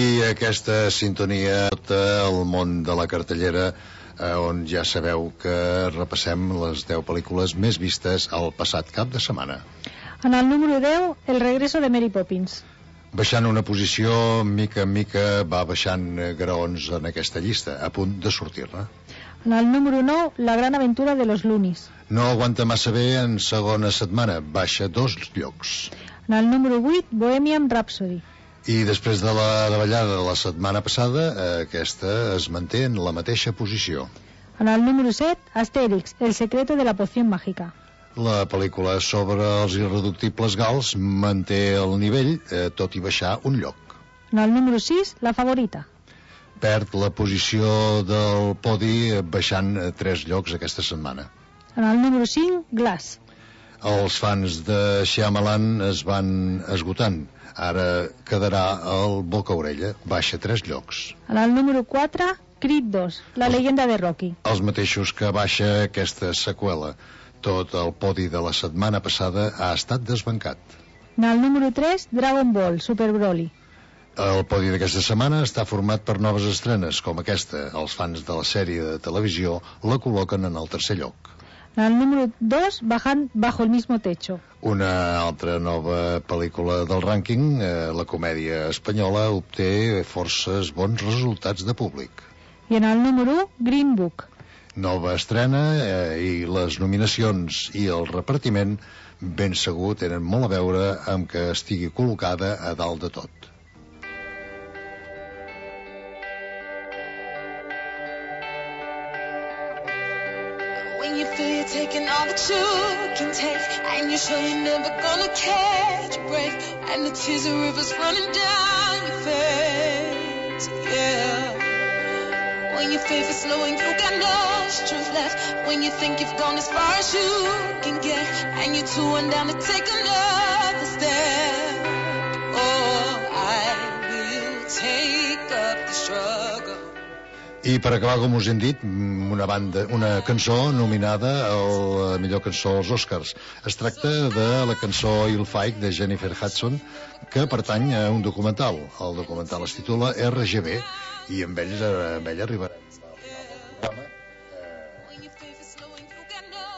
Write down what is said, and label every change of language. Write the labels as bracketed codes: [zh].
[ca] Aquesta sintonia al món de la cartellera, on ja sabeu que repassem les 10 pel·lícules més vistes el passat cap de setmana. En el número 10, El regreso de Mary Poppins. Baixant una posició, mica en mica va baixant graons en aquesta llista, a punt de sortir-ne. En el número 9, La gran aventura de los Loonies. No aguanta massa bé en segona setmana, baixa dos llocs. En el número 8, Bohemian Rhapsody. I després de la davallada de la setmana passada, aquesta es manté en la mateixa posició. En el número 7, Astèrix, El secreto de la poción mágica. La pel·lícula sobre els irreductibles gals manté el nivell, tot i baixar un lloc. En el número 6, La favorita. Perd la posició del podi baixant 3 llocs aquesta setmana. En el número 5, Glass. Els fans de Shyamalan es van esgotant. Ara quedarà el boca orella, baixa 3 llocs. En el número 4, Creed 2, La llegenda de Rocky. Els mateixos que baixa aquesta seqüela. Tot el podi de la setmana passada ha estat desbancat. En el número 3, Dragon Ball, Super Broly. El podi d'aquesta setmana està format per noves estrenes, com aquesta. Els fans de la sèrie de televisió la col·loquen en el tercer lloc. El número 2, Bajo el mismo techo. Una altra nova pel·lícula del rànquing, la comèdia espanyola, obté forces bons resultats de públic. I en el número 1, Green Book. Nova estrena i les nominacions i el repartiment ben segur tenen molt a veure amb que estigui col·locada a dalt de tot. [en] Taking all that you can take, and you're sure you're never gonna catch a break, and the tears and rivers running down your face, yeah. When your faith is low and you got no strength left, when you think you've gone as far as you can get, and you're too worn down to take another step, oh, I will take up the struggle. [ca] I per acabar, com us hem dit, una cançó nominada a la millor cançó als Oscars. Es tracta de la cançó Il Fike, de Jennifer Hudson, que pertany a un documental. El documental es titula RGB i amb ell arribarem al final del programa.